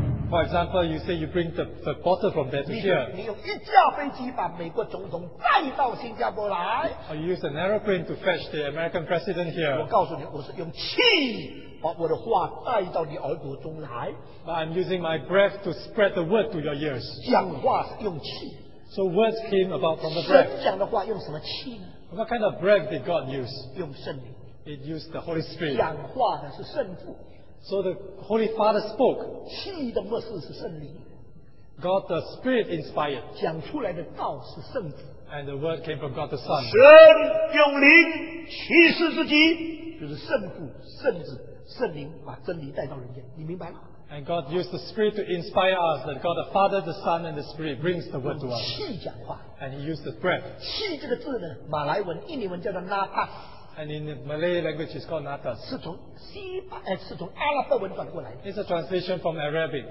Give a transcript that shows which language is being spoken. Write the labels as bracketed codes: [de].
[en] for example, you say you bring the bottle from there to [zh] 你, [en] here. [zh] 你用一架飞机把美国总统带到新加坡来, [en] or you use an aeroplane to fetch the American president here. [zh] 我告诉你，我是用气。把我的话带到你耳朵中来, [en] but I'm using my breath to spread the word to your ears. [zh] 讲话是用气, [en] so words came about from the breath. [zh] 神讲的话用什么气呢? [en] What kind of breath did God use? [zh] 用圣灵, [en] it used the Holy Spirit. [zh] 讲话的是圣父, [en] so the Holy Father spoke. [zh] 气的默示是圣灵, [en] God the Spirit inspired. [zh] 讲出来的道是圣父, [en] and the word came from God the Son. [zh] 神用灵启示自己, 就是圣父圣子, 圣灵把真理带到人间，你明白吗？ [en] And God used the Spirit to inspire us, that God the Father, the Son, and the Spirit brings the word to us. [zh] 气讲话, [en] and He used the breath. [zh] 气这个字呢, 马来文, 印尼文叫做Nafas, [en] and in the Malay language it's called Nafas. [zh] 是从阿拉伯文转过来, [en] it's a translation from Arabic.